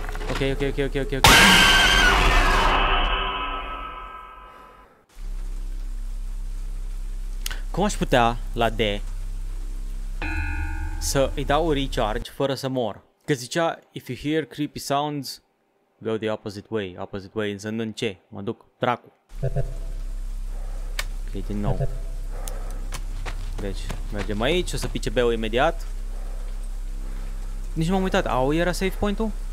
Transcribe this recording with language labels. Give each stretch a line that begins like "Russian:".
Romanian: Ok. Cum aș putea la D să îi dau recharge fără să mor? Că zicea,
English: if you hear creepy sounds, go the opposite way. Opposite way
Romanian: însemnând ce? Mă duc dracu. Ok, din nou. Deci, mergem aici, o să pice B-ul imediat. Nici m-am uitat, au era save point-ul?